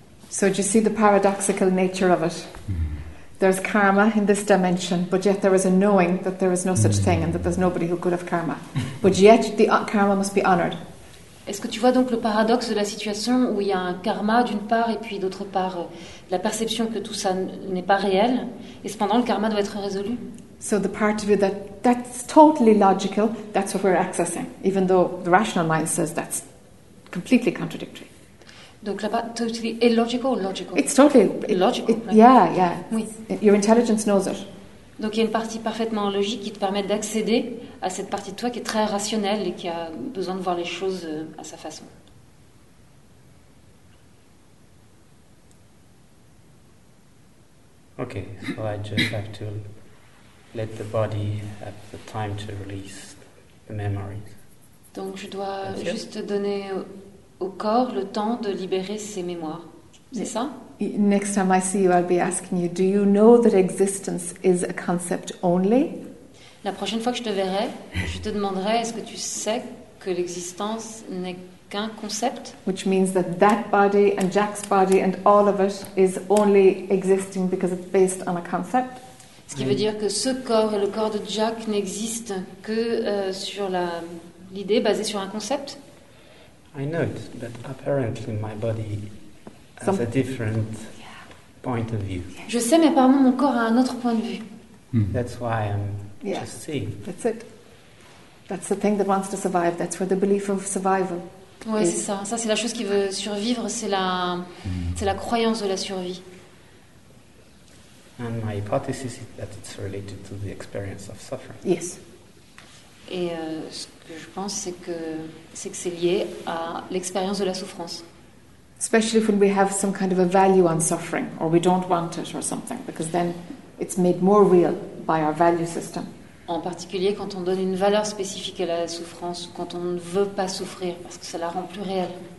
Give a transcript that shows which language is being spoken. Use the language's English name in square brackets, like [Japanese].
[English] So do you see the paradoxical nature of it? There's karma in this dimension, but yet there is a knowing that there is no such thing and that there's nobody who could have karma. But yet the karma must be honored. [French] Est-ce que tu vois donc le paradoxe de la situation où il y a un karma d'une part et puis d'autre part la perception que tout ça n'est pas réel, et cependant le karma doit être résolu? [English] So the part of you that's totally logical, that's what we're accessing, even though the rational mind says that's completely contradictory. [French] Donc là-bas, [English] totally illogical or logical? It's totally illogical. Yeah. [French] Oui. [English] Your intelligence knows it. [French] Donc il y a une partie parfaitement logique qui te permet d'accéder à cette partie de toi qui est très rationnelle et qui a besoin de voir les choses à sa façon. [English] Okay, so I just have to let the body have the time to release the memories. [French] Donc je dois juste donner au corps le temps de libérer ses mémoires. C'est ça? [English] Next time I see you, I'll be asking you, do you know that existence is a concept only? [French] La prochaine fois que je te verrai, je te demanderai, est-ce que tu sais que l'existence n'est qu'un concept? [English] Which means that that body and Jack's body and all of it is only existing because it's based on a concept. [French] Ce qui veut dire que ce corps et le corps de Jack n'existent que sur l'idée basée sur un concept? [English] I know it, but apparently my body has a different point of view. [French] Je sais, mais apparemment mon corps a un autre point de vue. [English] That's why I'm just seeing. That's it. That's the thing that wants to survive. That's where the belief of survival. [French] Oui, c'est ça. Ça, c'est la chose qui veut survivre. C'est la croyance de la survie. [English] And my hypothesis is that it's related to the experience of suffering. Yes. [French] Et ce que je pense, c'est que c'est lié à l'expérience de la souffrance. [English] Especially when we have some kind of a value on suffering, or we don't want it, or something, because then it's made more real by our value system. [French] En particulier quand on donne une valeur spécifique à la souffrance, quand on ne veut pas souffrir, parce que ça la rend plus réelle.